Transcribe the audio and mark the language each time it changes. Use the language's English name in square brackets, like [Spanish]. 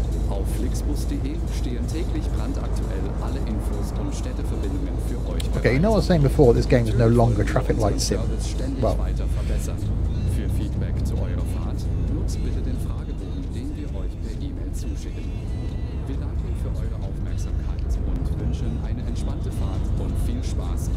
[German] Auf flixbus.de stehen täglich brandaktuell alle Infos und Städteverbindungen für euch. [English] Okay, you know what I was saying before, this game is no longer Traffic Light Sim. Well, [German] für Feedback zu eurer Fahrt nutzt bitte den Fragebogen, den wir euch per E-Mail zuschicken. Wir danken für eure Aufmerksamkeit und wünschen eine entspannte Fahrt und viel Spaß.